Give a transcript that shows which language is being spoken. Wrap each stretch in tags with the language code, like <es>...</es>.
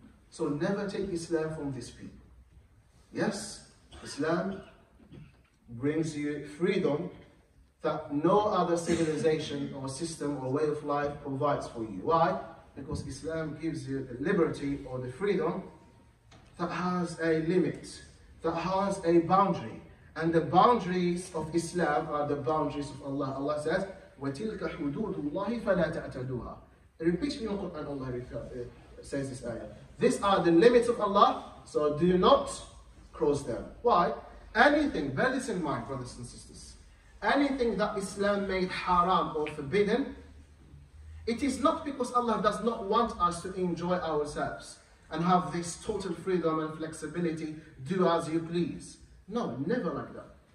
<en>So never take Islam from these people. Yes, Islam brings you freedom that no other civilization or system or way of life provides for you. Why? Because Islam gives you the liberty or the freedom that has a limit, that has a boundary. And the boundaries of Islam are the boundaries of Allah. Allah says,</en> <ar>وَتِلْكَ حُدُودُ اللَّهِ فَلَا تَعْتَدُوهَا.</ar> <en>Repeat in the Quran, Allah says this ayah. These are the limits of Allah, so do not cross them. Why? Anything, bear this in mind, brothers and sisters. Anything that Islam made haram or forbidden, It is not because Allah does not want us to enjoy ourselves and have this total freedom and flexibility, do as you please. No, never like that.</en>